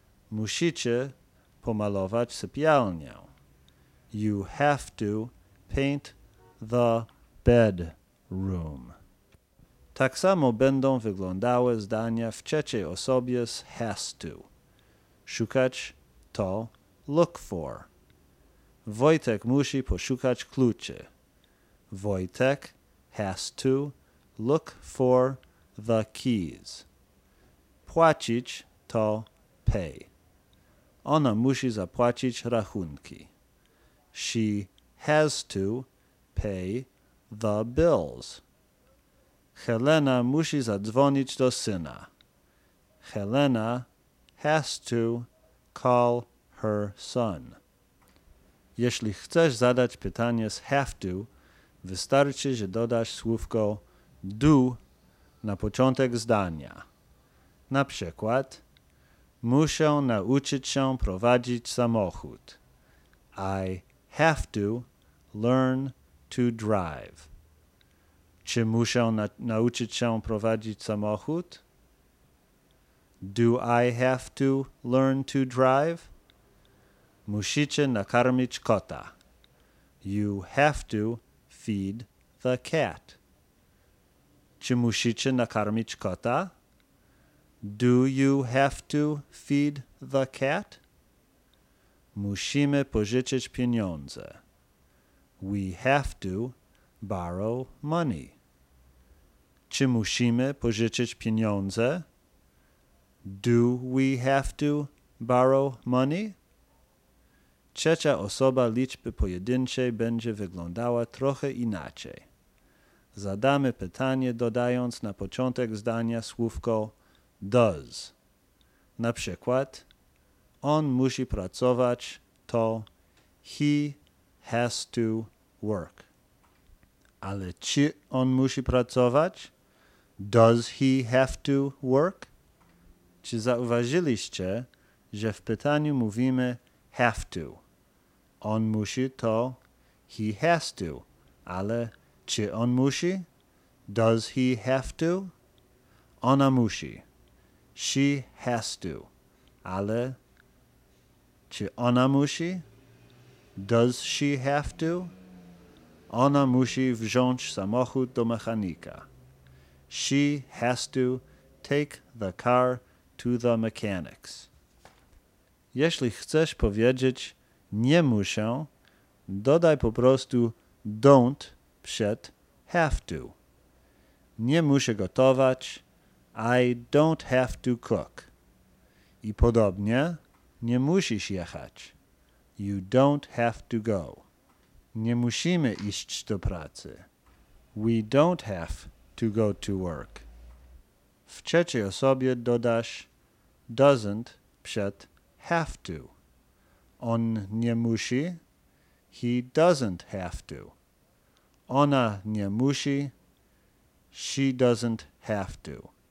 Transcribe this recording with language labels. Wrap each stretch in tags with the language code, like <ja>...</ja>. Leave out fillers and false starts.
<pl>Musicie pomalować sypialnię.</pl> <en>You have to paint the bedroom.</en> <pl>Tak samo będą wyglądały zdania w trzeciej osobie z has to. Szukać to look for. Wojtek musi poszukać kluczy.</pl> <en>Wojtek has to look for the keys.</en> <pl>Płacić to pay. Ona musi zapłacić rachunki.</pl> <en>She has to pay the bills.</en> <pl>Helena musi zadzwonić do syna.</pl> <en>Helena has to call her son.</en> <pl>Jeśli chcesz zadać pytanie z have to, wystarczy, że dodasz słówko do na początek zdania. Na przykład, muszę nauczyć się prowadzić samochód.</pl> <en>I have to learn to drive.</en> <pl>Czy muszę nauczyć się prowadzić samochód?</pl> <en>Do I have to learn to drive?</en> <pl>Musicie nakarmić kota.</pl> <en>You have to feed the cat.</en> <pl>Czy musicie nakarmić kota?</pl> <en>Do you have to feed the cat?</en> <pl>Musimy pożyczyć pieniądze.</pl> <en>We have to borrow money.</en> <pl>Czy musimy pożyczyć pieniądze?</pl> <en>Do we have to borrow money?</en> <pl>Trzecia osoba liczby pojedynczej będzie wyglądała trochę inaczej. Zadamy pytanie dodając na początek zdania słówko does. Na przykład, on musi pracować, to</pl> <en>he has to work.</en> <pl>Ale czy on musi pracować?</pl> <en>Does he have to work?</en> <pl>Czy zauważyliście, że w pytaniu mówimy have to? On musi, to</pl> <en>he has to.</en> <pl>Ale czy on musi?</pl> <en>Does he have to?</en> <pl>Ona musi.</pl> <en>She has to.</en> <pl>Ale czy ona musi?</pl> <en>Does she have to?</en> <pl>Ona musi wziąć samochód do mechanika.</pl> <en>She has to take the car to the mechanics.</en> <pl>Jeśli chcesz powiedzieć nie muszę, dodaj po prostu don't przed have to. Nie muszę gotować.</pl> <en>I don't have to cook.</en> <pl>I podobnie, nie musisz jechać.</pl> <en>You don't have to go.</en> <pl>Nie musimy iść do pracy.</pl> <en>We don't have to go to work.</en> <pl>W trzeciej osobie dodasz doesn't przed have to. On nie musi.</pl> <en>He doesn't have to.</en> <pl>Ona nie musi.</pl> <en>She doesn't have to.</en>